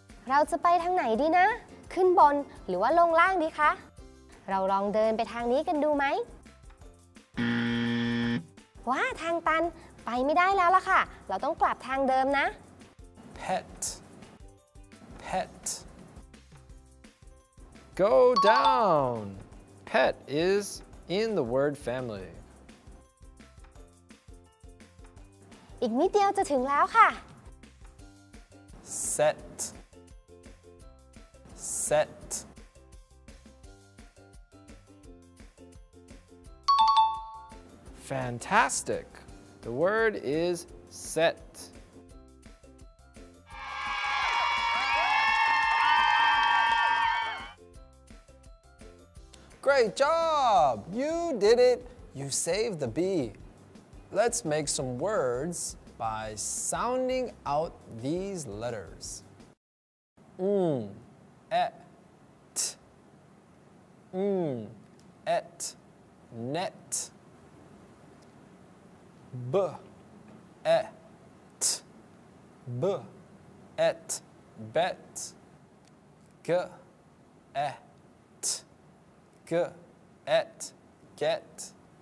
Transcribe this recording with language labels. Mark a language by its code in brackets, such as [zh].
[th] เราจะไปทางไหนดีนะขึ้นบนหรือว่าลงล่างดีคะเราลองเดินไปทางนี้กันดูไหม ว้าทางตันไปไม่ได้แล้วล่ะค่ะเราต้องกลับทางเดิมนะ [en] Pet. Pet. Go down. Pet is in the word family. [th] อีกนิดเดียวจะถึงแล้วค่ะ [en] set set fantastic the word is set great job you did it you saved the bee let's make some words by sounding out these letters et et net b et b et bet g et g et get